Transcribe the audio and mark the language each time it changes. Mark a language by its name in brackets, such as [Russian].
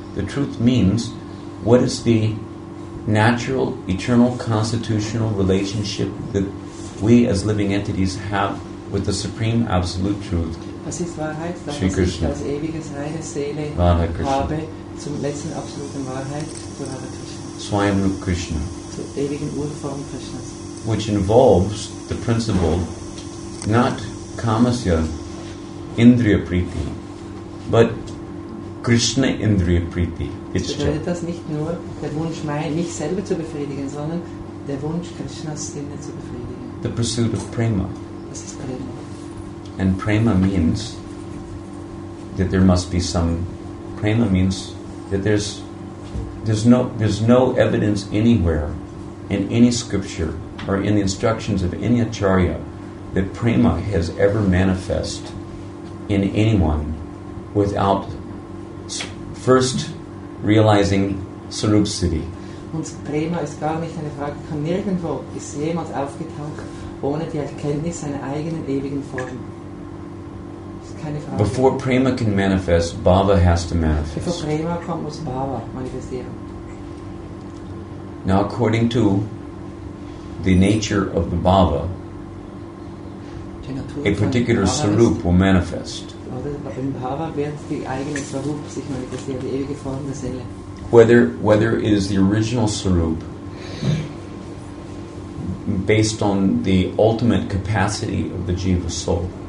[English] The truth means what is the natural, eternal, constitutional relationship that we as living entities have with the Supreme Absolute Truth, [German] was ist Wahrheit, das, Shri Krishna. Was ich als ewiges, reine Seele Radha Krishna. Habe zum letzten absoluten Wahrheit, zu Radha Krishna. Swayam Rupa Krishna. Zur ewigen Urform Krishnas. [English] Which involves the principle, not kamasya indriya priti, but Krishna indriya priti. [German] Das bedeutet, dass nicht nur der Wunsch, mich selber zu befriedigen, sondern der Wunsch, Krishnas Sinne zu befriedigen. [English] The pursuit of prema. [German] Das ist prema. [English] And prema means that there must be some. Prema means that there's no evidence anywhere in any scripture or in the instructions of any acharya that prema has ever manifest in anyone without first realizing Sarup City. [German] Und Prema ist gar nicht eine Frage, kann nirgendwo ist jemand aufgetaucht ohne die Erkenntnis seiner eigenen ewigen Form. [English] Before Prema can manifest, Bhava has to manifest. [German] Bevor Prema kommt, muss Bhava manifestieren. [English] Now, according to the nature of the Bhava, a particular Sarup will manifest. [German] Im Bhava wird die eigene Sarup sich manifestieren, die ewige Form der Seele. [English] Whether it is the original Sarup, based on the ultimate capacity of the Jiva soul.